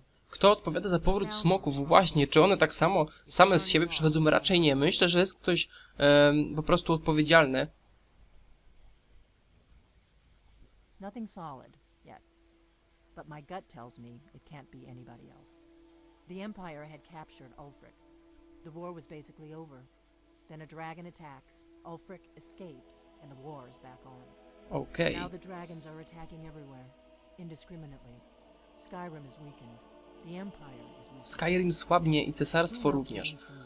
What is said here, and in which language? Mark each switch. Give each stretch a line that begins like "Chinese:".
Polish: Kto odpowiada za powrót smoków? Właśnie, czy one tak samo same z siebie przychodzą? Raczej nie. Myślę, że jest ktoś po prostu odpowiedzialny.
English: Nothing solid yet. But my gut tells me it can't be anybody else. The Empire had captured Ulfric. The war was basically over. Then a dragon attacks, Ulfric escapes, and the war is back on. Okay. Now the dragons are attacking everywhere, indiscriminately. Skyrim is weakened. The Empire is weakened.
Polish: Skyrim słabnie i cesarstwo również.